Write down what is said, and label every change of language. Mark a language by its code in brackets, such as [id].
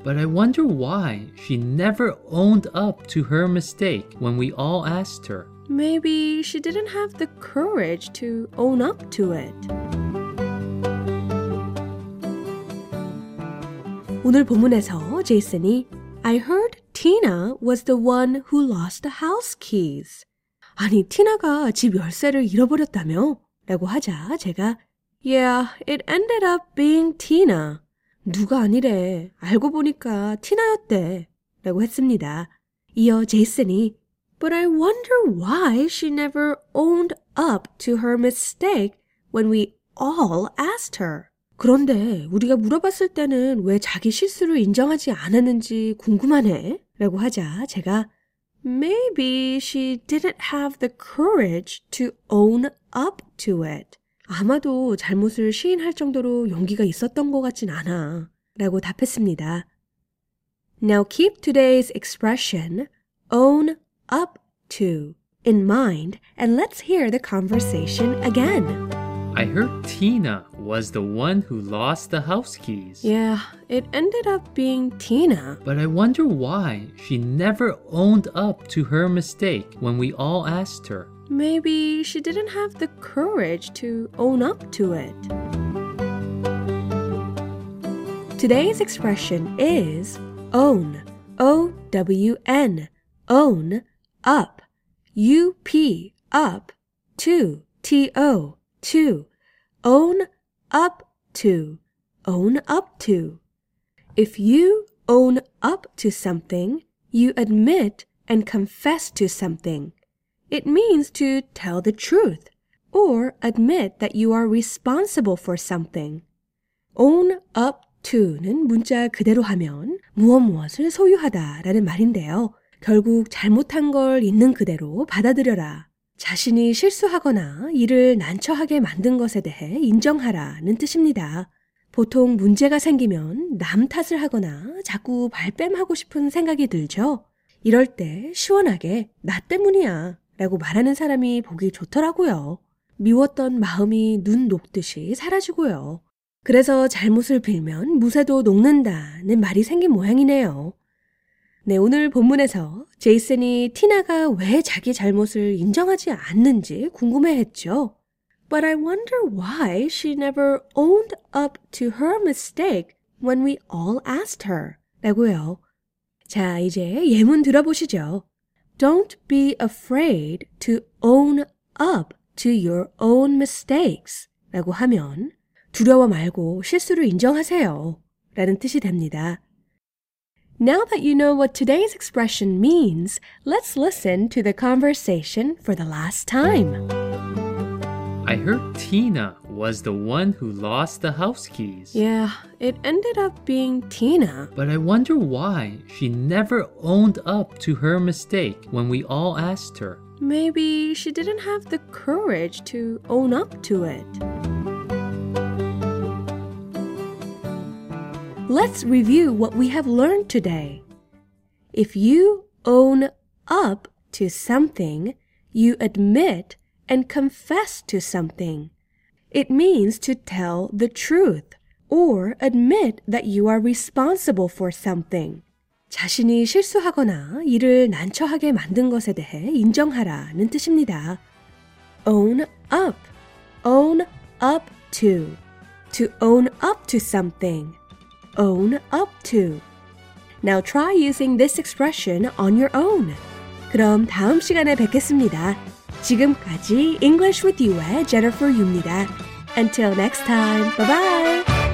[en] But I wonder why she never owned up to her mistake when we all asked her. Maybe she didn't have the courage to own up to it. [ko] 오늘 본문에서 제이슨이 [en] I heard Tina was the one who lost the house keys. [ko] 아니, 티나가 집 열쇠를 잃어버렸다며? 라고 하자 제가 [en] Yeah, it ended up being Tina. [ko] 누가 아니래. 알고 보니까 티나였대. 라고 했습니다. 이어 제이슨이 [en] But I wonder why she never owned up to her mistake when we all asked her. [ko] 그런데 우리가 물어봤을 때는 왜 자기 실수를 인정하지 않았는지 궁금하네. 라고 하자 제가 [en] Maybe she didn't have the courage to own up to it. [ko] 아마도 잘못을 시인할 정도로 용기가 있었던 것 같진 않아. 라고 답했습니다. [en] Now keep today's expression, own up to, in mind, and let's hear the conversation again. I heard Tina was the one who lost the house keys. Yeah, it ended up being Tina. But I wonder why she never owned up to her mistake when we all asked her. Maybe she didn't have the courage to own up to it. Today's expression is own, O-W-N, own, up, U-P, up, to, T-O, to. Own up to, own up to. If you own up to something, you admit and confess to something. It means to tell the truth or admit that you are responsible for something. [ko] Own up to는 문자 그대로 하면 무엇무엇을 소유하다라는 말인데요. 결국 잘못한 걸 있는 그대로 받아들여라. 자신이 실수하거나 일을 난처하게 만든 것에 대해 인정하라는 뜻입니다. 보통 문제가 생기면 남 탓을 하거나 자꾸 발뺌하고 싶은 생각이 들죠. 이럴 때 시원하게 나 때문이야 라고 말하는 사람이 보기 좋더라고요. 미웠던 마음이 눈 녹듯이 사라지고요. 그래서 잘못을 빌면 무쇠도 녹는다는 말이 생긴 모양이네요. 네, 오늘 본문에서 제이슨이 티나가 왜 자기 잘못을 인정하지 않는지 궁금해했죠. [en] But I wonder why she never owned up to her mistake when we all asked her. [ko] 라고요. 자, 이제 예문 들어보시죠. [en] Don't be afraid to own up to your own mistakes. [ko] 라고 하면 두려워 말고 실수를 인정하세요. 라는 뜻이 됩니다. [en] Now that you know what today's expression means, let's listen to the conversation for the last time. I heard Tina was the one who lost the house keys. Yeah, it ended up being Tina. But I wonder why she never owned up to her mistake when we all asked her. Maybe she didn't have the courage to own up to it. Let's review what we have learned today. If you own up to something, you admit and confess to something. It means to tell the truth or admit that you are responsible for something. [ko] 자신이 실수하거나 일을 난처하게 만든 것에 대해 인정하라는 뜻입니다. [en] Own up to own up to something. Own up to. Now try using this expression on your own. [ko] 그럼 다음 시간에 뵙겠습니다. 지금까지 English with You의 Jennifer Yu입니다. [en] Until next time, bye-bye!